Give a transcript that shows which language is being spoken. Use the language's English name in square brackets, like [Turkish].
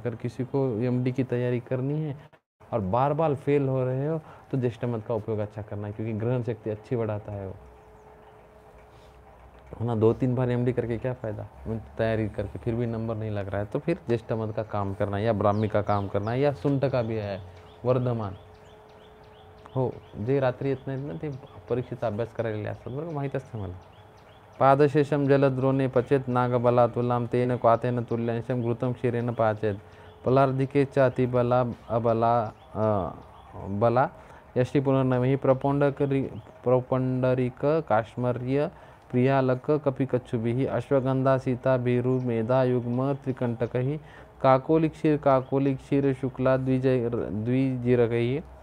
[Hindi] अगर किसी को MD की तैयारी करनी है और बार बार फेल हो रहे हो तो ज्येष्ठमध का उपयोग अच्छा करना है, क्योंकि ग्रहण शक्ति अच्छी बढ़ाता है वो. ना 2-3 बार MD करके क्या फ़ायदा, तैयारी करके फिर भी नंबर नहीं लग रहा है. तो फिर ज्येष्ठमध का काम करना है, या ब्राह्मी का काम करना है, या सुंठ का भी है वर्धमान. [Marathi] हो जे रात्री येत नाहीत ना ते परीक्षेचा अभ्यास करायला असतात, बरं का, माहीत असतं मला. [Sanskrit] पादशेषम जलद्रोणे पचेत नागबला तुलाम तेन क्वातेन तुल्यांशम घृतम क्षीरेन पाचेत पलार्धिके चातिबला अबला बला यष्टी पुनर्नवी प्रपौंडकरी प्रपौंडरिक काश्मर्य प्रियालक कपिकच्छुभिः अश्वगंधा सीता भीरु मेधा युग्म त्रिकंटकैः काकोलिक्षीर काकोलिक्षीर शुक्ला द्विजीरकैः